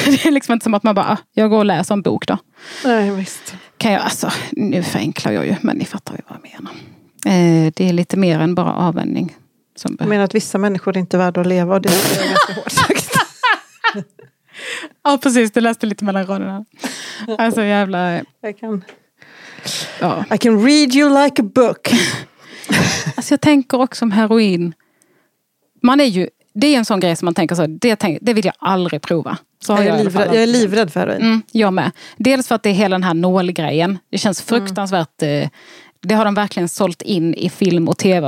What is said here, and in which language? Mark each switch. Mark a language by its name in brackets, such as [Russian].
[Swedish] Det är liksom inte som att man bara, jag går och läser en bok då. Nej, visst. Kan jag, alltså, nu förenklar jag ju, men ni fattar ju vad jag menar. Det är lite mer än bara avvändning. Som jag menar att vissa människor är inte värda att leva och det är ganska hårt sagt. Ja, precis. Du läste lite mellan raderna. Alltså, jävla... [English] I can read you like a book. [Swedish] Alltså, jag tänker också om heroin. Man är ju... Det är en sån grej som man tänker så. Det vill jag aldrig prova. Så jag, jag är livrädd för heroin. Mm, jag med. Dels för att det är hela den här nålgrejen. Det känns fruktansvärt... Det har de verkligen sålt in i film och tv.